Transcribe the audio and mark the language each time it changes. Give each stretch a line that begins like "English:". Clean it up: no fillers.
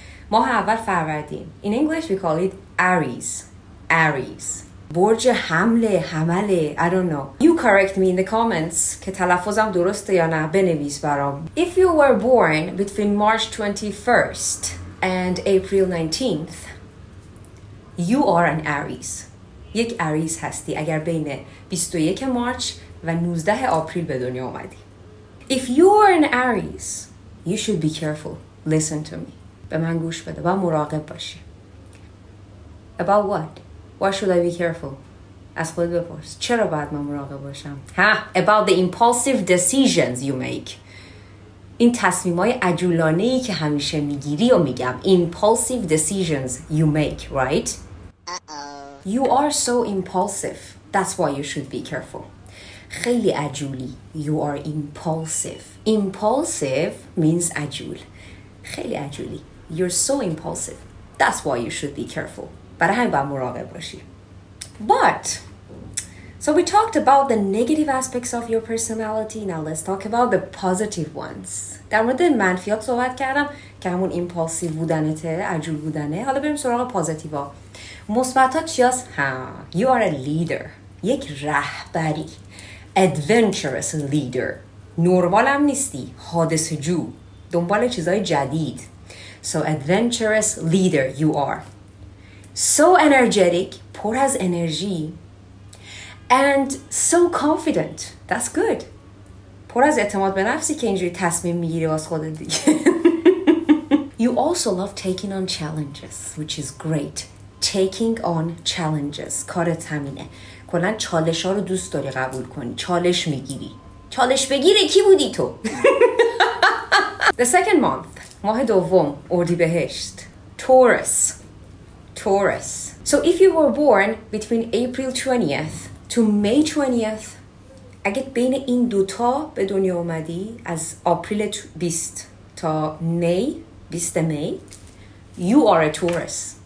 Persian: ماه اول فروردین.
English: In English we call it Aries. Aries.
Persian: برج حمله، حمله،
English: I don't know. You correct me in the comments
Persian: که تلفظم درسته یا نه بنویس برام.
English: If you were born between March 21st and April 19th, you are an Aries.
Persian: یک Aries هستی اگر بین 21 مارچ و 19 آپریل به دنیا اومدی.
English: If you are an Aries, you should be careful. Listen to me.
Persian: به من گوش بده و مراقب باشی.
English: About what? Why should I be careful?
Persian: از خود بپرس. چرا باید من مراقب باشم؟ ها!
English: About the impulsive decisions you make.
Persian: این تصمیمای عجولانهی که همیشه میگیری و میگم.
English: Impulsive decisions you make, right? You are so impulsive. That's why you should be careful.
Persian: خیلی عجولی.
English: You are impulsive. Impulsive means عجول.
Persian: خیلی عجولی.
English: You're so impulsive. That's why you should be careful.
Persian: برای همین باید مراقب باشی.
English: But, so we talked about the negative aspects of your personality. Now let's talk about the positive ones.
Persian: در مورد منفیات صحبت کردم که همون impulsive بودنته، عجول بودنه. حالا بریم سراغ پوزیتیو ها. مثبتات چی هست؟
English: You are a leader.
Persian: یک رهبری.
English: Adventurous leader.
Persian: نرمال هم نیستی. حادث جو. دنبال چیزهای جدید.
English: So adventurous leader you are. So energetic,
Persian: پر از انرژی,
English: and so confident, that's good.
Persian: پر از اعتماد به نفسی که اینجوری تصمیم میگیری واس خودت دیگه.
English: You also love taking on challenges, which is great. Taking on challenges,
Persian: کارت همینه. کلن چالش ها رو دوست داری قبول کنی, چالش میگیری. چالش بگیری, کی بودی تو؟
English: The second month,
Persian: ماه دوم, اردیبهشت, Taurus. Taurus.
English: So if you were born between April 20th to May 20th,
Persian: اگه بین این دوتا به دنیا اومدی از آپریل 20 تا می 20 می,
English: you are a Taurus.